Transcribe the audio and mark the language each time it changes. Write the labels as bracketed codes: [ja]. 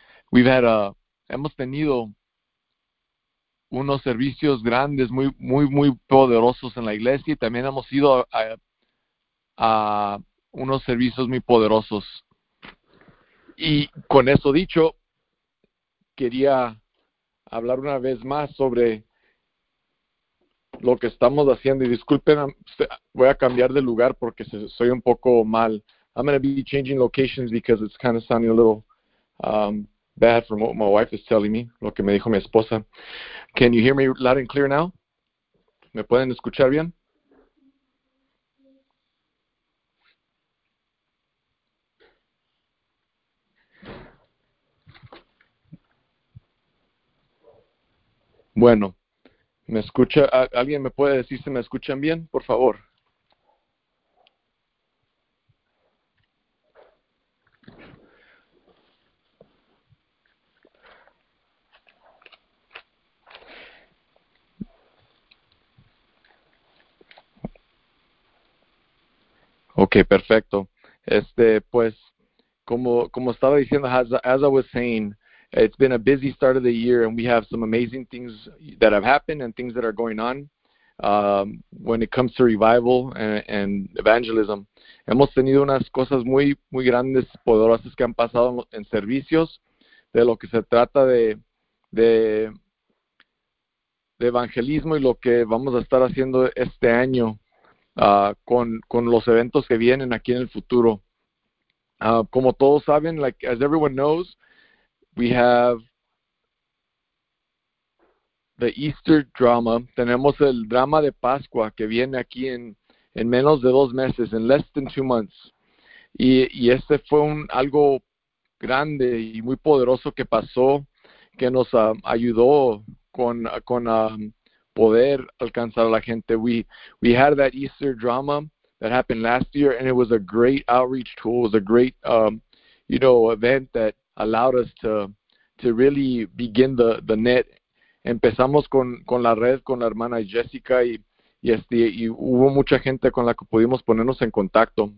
[en] We've had a [es] hemos tenido unos servicios grandes, muy muy muy poderosos en la iglesia, y también hemos ido a unos servicios muy poderosos. Y con eso dicho, quería hablar una vez más sobre lo que estamos haciendo. Y disculpen, voy a cambiar de lugar porque soy un poco mal. [en] I'm going to be changing locations because it's kind of sounding a little bad from what my wife is telling me, [es] lo que me dijo mi esposa. [en] Can you hear me loud and clear now? [es] ¿Me pueden escuchar bien? Bueno, ¿me escucha? ¿Alguien me puede decir si me escuchan bien, por favor? Okay, perfecto. Pues, como estaba diciendo, [en] as I was saying, it's been a busy start of the year, and we have some amazing things that have happened and things that are going on when it comes to revival and evangelism. [es] Hemos tenido unas cosas muy muy grandes, poderosas que han pasado en servicios de lo que se trata de evangelismo y lo que vamos a estar haciendo este año con los eventos que vienen aquí en el futuro. Como todos saben, [en] like as everyone knows, we have the Easter drama. [es] Tenemos el drama de Pascua que viene aquí en menos de 2 meses, [en] in less than 2 months. [es] Y este fue algo grande y muy poderoso que pasó, que nos ayudó con poder alcanzar a la gente. [en] We had that Easter drama that happened last year, and it was a great outreach tool. It was a great event that allowed us to really begin the net. [es] Empezamos con la red, con la hermana Jessica, y hubo mucha gente con la que pudimos ponernos en contacto.